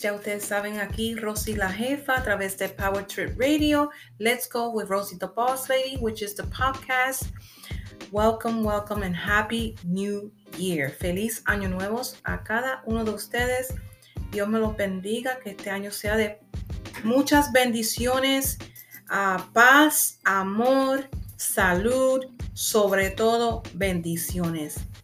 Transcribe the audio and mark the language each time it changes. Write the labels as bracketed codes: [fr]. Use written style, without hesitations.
[es] Ya ustedes saben, aquí Rosy la Jefa a través de Power Trip Radio. [en] Let's go with Rosy the Boss Lady, which is the podcast. Welcome, welcome and happy new year. [es] Feliz año nuevo a cada uno de ustedes. Dios me los bendiga, que este año sea de muchas bendiciones, paz, amor, salud, sobre todo bendiciones.